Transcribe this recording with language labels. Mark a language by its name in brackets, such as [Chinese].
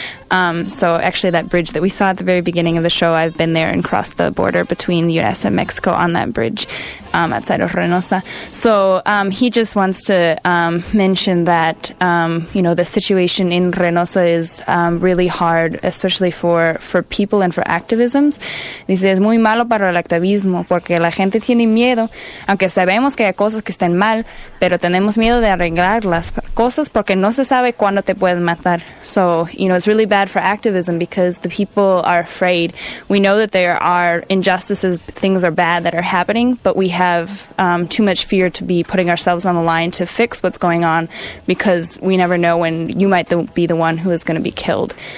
[English] So actually that bridge that we saw at the very beginning of the show, I've been there and crossed the border between the U.S. and Mexico on that bridge outside of Reynosa. So he just wants to mention that, you know, the situation in Reynosa is really hard, especially for people and for activisms. [Spanish] Dice, es muy malo para el activismo porque la gente tiene miedo, aunque sabemos que hay cosas que están mal, pero tenemos miedo de arreglar las cosas porque no se sabe cuándo te pueden matar. [English] So, you know, it's really bad for activism because the people are afraid. We know that there are injustices, things are bad that are happening, but we have too much fear to be putting ourselves on the line to fix what's going on because we never know when you might be the one who is going to be killed.